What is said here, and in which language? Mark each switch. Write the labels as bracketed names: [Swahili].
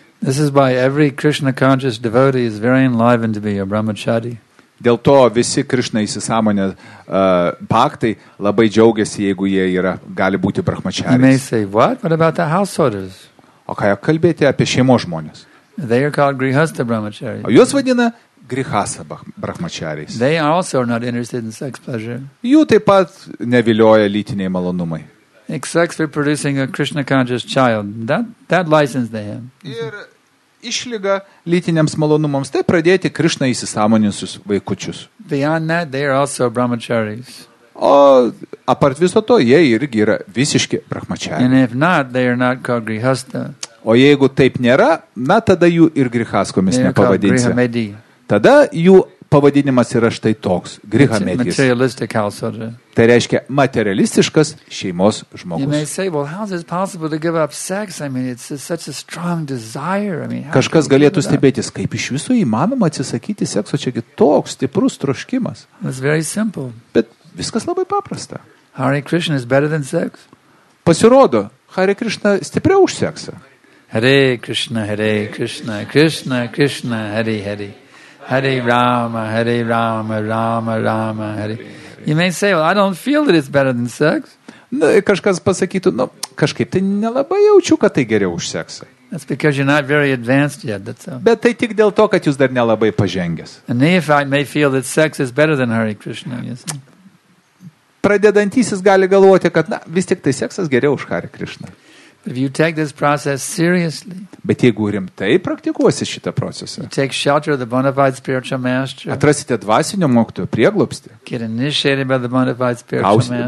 [English] This is why every Krishna conscious devotee is very enlivened to be a brahmachari. [Lithuanian] Dėl to visi Krishna įsisąmonė paktai labai džiaugiasi, jeigu jie yra, gali būti brahmachari. [English] You may say, what about the householders? [Lithuanian] O ką jau kalbėti apie šeimos žmonės? [English] They are called grihastha brahmachari. [Lithuanian] O juos vadina grihastha brahmachariais. [English] They also are not interested in sex pleasure. [Lithuanian] Jų taip pat nevilioja lytiniai malonumai. [English] Sex for producing a Krishna conscious child. That license they have. [Lithuanian] Ir išlyga lytiniams malonumams, tai pradėti Krishna įsisąmoninsius vaikučius. [English] Beyond that, they are also brahmacharis. [Lithuanian] O apart viso to, jie irgi yra visiški brahmacharis. [English] And if not, they are not called grihastha. [Lithuanian] O jeigu taip nėra, na tada jų ir grihaskomis nepavadinsi. Tada jų pavadinimas yra štai toks, grihamedis. Tai reiškia materialistiškas šeimos žmogus. Kažkas galėtų stebėtis, kaip iš viso įmanoma atsisakyti sekso, čiagi toks stiprus troškimas. Bet viskas labai paprasta. [English] Hare Krishna is better than sex. [Lithuanian] Pasirodo, Hare Krishna stipriau už seksą. [Sanskrit] Hare Krishna, Krishna, Krishna, Hare Hare. Hare Rama, Hare Rama, Rama Rama, Hare. [English] You may say, well, I don't feel that it's better than sex. [Lithuanian] Na, kažkas pasakytų, no, kažkaip tai nelabai jaučiu, kad tai geriau už seksą. [English] That's because you're not very advanced yet, that's all. [Lithuanian] Bet tai tik dėl to, kad jūs dar nelabai pažengęs. [English] A neophyte may feel that sex is better than Hare Krishna, you see. [Lithuanian] Pradedantysis gali galvoti, kad, na, vis tik tai seksas geriau už Hare Krishna. [English] If you take this process seriously, [Lithuanian] bet jeigu rimtai praktikuosi šitą procesą, [English] you take shelter of the bona fide spiritual master, [Lithuanian] atrasite dvasinio mokytojo prieglobstį, [English] get initiated by the bona fide spiritual master,